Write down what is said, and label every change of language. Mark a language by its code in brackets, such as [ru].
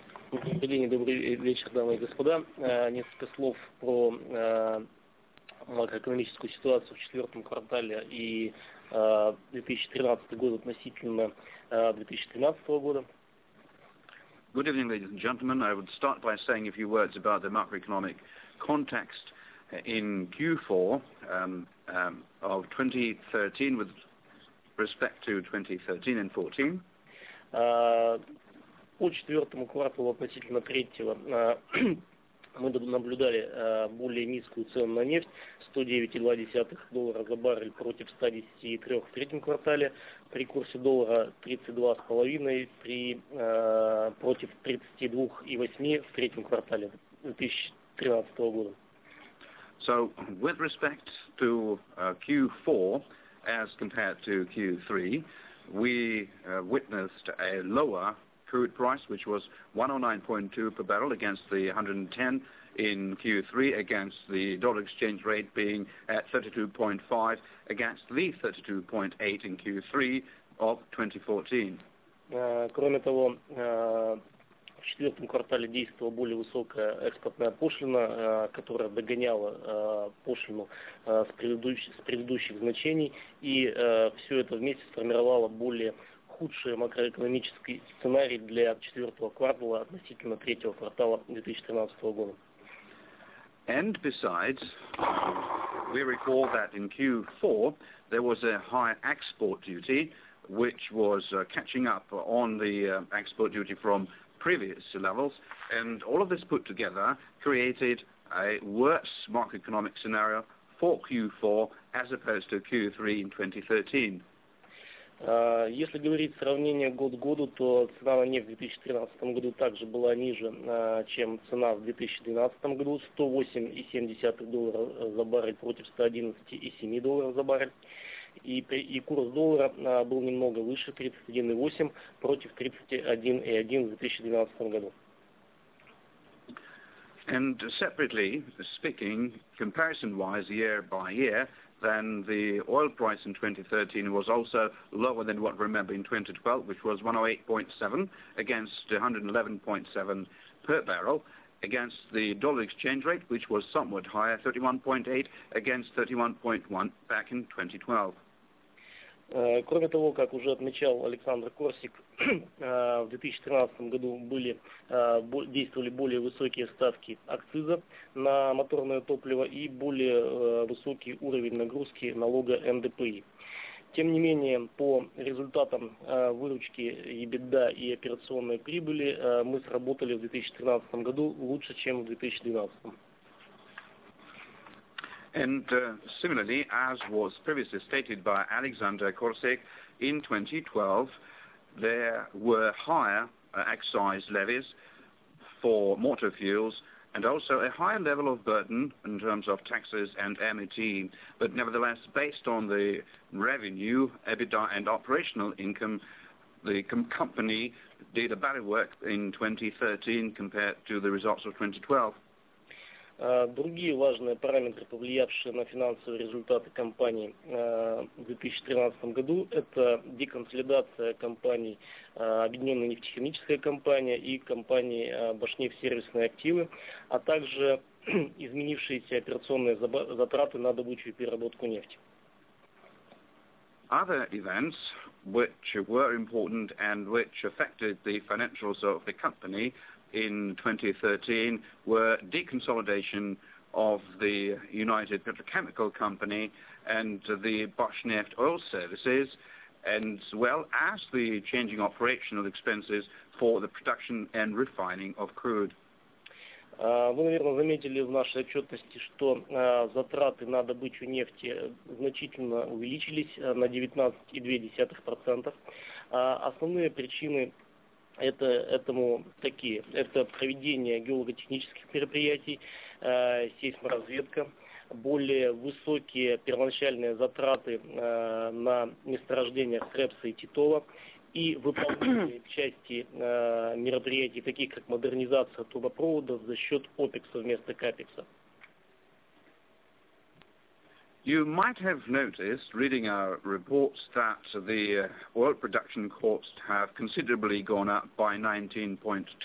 [ru] Добрый день, добрый вечер, дамы и господа. Несколько слов про макроэкономическую ситуацию в четвертом квартале и 2013 года относительно 2013 года. [en] Good evening, ladies and gentlemen. I would start by saying a few words about the macroeconomic context in Q4 of 2013 with respect to 2013 and 14. [ru] По четвертому кварталу относительно третьего мы наблюдали более низкую цену на нефть 109,2 доллара за баррель против 110,3 в третьем квартале при курсе доллара 32,5 против 32,8 в третьем квартале 2013 года. [en] With respect to Q4 as compared to Q3, we witnessed a lower crude price, which was $109.2 per barrel against the $110 in Q3, against the dollar exchange rate being at 32.5 against the 32.8 in Q3 of 2014. [ru] Кроме того, в четвертом квартале действовала более высокая экспортная пошлина, которая догоняла пошлину с предыдущих значений, и все это вместе сформировало более худший макроэкономический сценарий для четвертого квартала относительно третьего квартала 2013 года. [en] Besides, we recall that in Q4 there was a high export duty, which was catching up on the export duty from previous levels, and all of this put together created a worse macroeconomic scenario for Q4 as opposed to Q3 in 2013. [ru] Если говорить сравнение год к году, то цена на нефть в 2013 году также была ниже, чем цена в 2012 году, $108.7 за баррель против $111.7 за баррель. И курс доллара был немного выше, 31.8 против 31.1 в 2012 году. [en] And separately, speaking comparison-wise year by year, then the oil price in 2013 was also lower than what we remember in 2012, which was $108.7 against $111.7 per barrel, against the dollar exchange rate, which was somewhat higher, $31.8 against $31.1 back in 2012. [ru] Кроме того, как уже отмечал Александр Корсик, в 2013 году действовали более высокие ставки акциза на моторное топливо и более высокий уровень нагрузки налога НДПИ. Тем не менее, по результатам выручки EBITDA и операционной прибыли мы сработали в 2013 году лучше, чем в 2012. [en] And similarly, as was previously stated by Alexander Korsik, in 2012 there were higher excise levies for motor fuels and also a higher level of burden in terms of taxes and MET. But nevertheless, based on the revenue, EBITDA and operational income, the company did a better work in 2013 compared to the results of 2012. [ru] Другие важные параметры, повлиявшие на финансовые результаты компании в 2013 году, это деконсолидация компаний Объединенная нефтехимическая компания и компании Башнефть-сервисные активы, а также изменившиеся операционные затраты на добычу и переработку нефти. [en] Other events, which were important and which affected the financials of the company in 2013, were deconsolidation of the United Petrochemical Company and the Bashneft Oil Services, and as well as the changing operational expenses for the production and refining of crude. [ru] Вы, наверное, заметили в нашей отчетности, что затраты на добычу нефти значительно увеличились на 19.2%. Основные причины этому такие. Это проведение геолого-технических мероприятий, сейсморазведка, более высокие первоначальные затраты на месторождения Хребса и Титова и выполнение части мероприятий, таких как модернизация трубопроводов за счет ОПЕКСа вместо КАПЕКСа. [en] You might have noticed, reading our reports, that the oil production costs have considerably gone up by 19.2%.